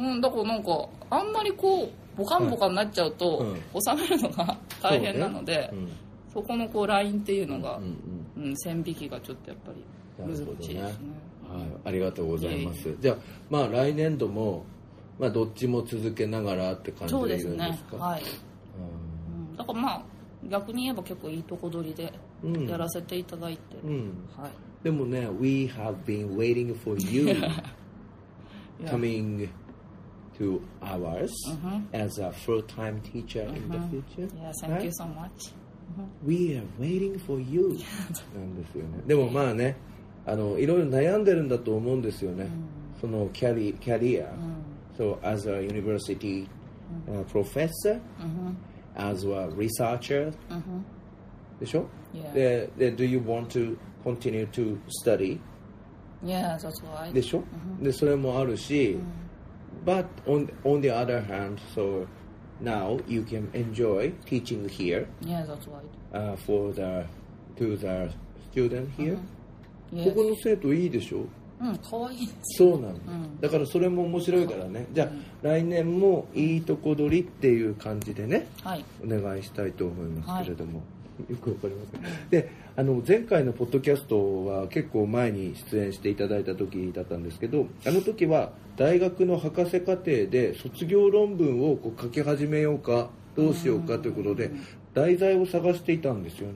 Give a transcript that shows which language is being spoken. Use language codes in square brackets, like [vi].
[ja] うん、だからなんかあんまりこうボカンボカンになっちゃうと、はい、うん、収めるのが大変なので、そうね、うん、そこのこうラインっていうのが、うんうんうん、線引きがちょっとやっぱり難しいですね。はい、ありがとうございます。じゃあまあ来年度も、まあ、どっちも続けながらって感じでいるんですか。そうですね、はい、うん、だからまあ逆に言えば結構いいとこ取りでやらせていただいて、うんうん、はい、でもね [en] We have been waiting for you coming to ours as a full-time teacher in the future. Yeah, thank you so much. We are waiting for you [ja] なんですよね。でもまあね、あのいろいろ悩んでるんだと思うんですよね、うん、そのキャリア、うん、 [en] so, as a university、 [ja] うん、 [en] professor、 [ja] うん、 [en] as a researcher、 [ja] うん、でしょ、 [en] yeah. で Do you want to continue to study? Yeah, that's right. [ja] でしょ、うん、でそれもあるし、うん、 [en] But on the other hand, so now you can enjoy teaching here. Yeah, that's right. To the student here、うん、Yes. [ja] ここの生徒いいでしょ。うん、かわいい。そうなんだ、うん、だからそれも面白いからね。じゃあ、うん、来年もいいとこ取りっていう感じでね、はい、お願いしたいと思いますけれども、はい、よくわかりますね。で、あの前回のポッドキャストは結構前に出演していただいた時だったんですけど、あの時は大学の博士課程で卒業論文をこう書き始めようかどうしようかということで、うん、題材を探していたんですよね、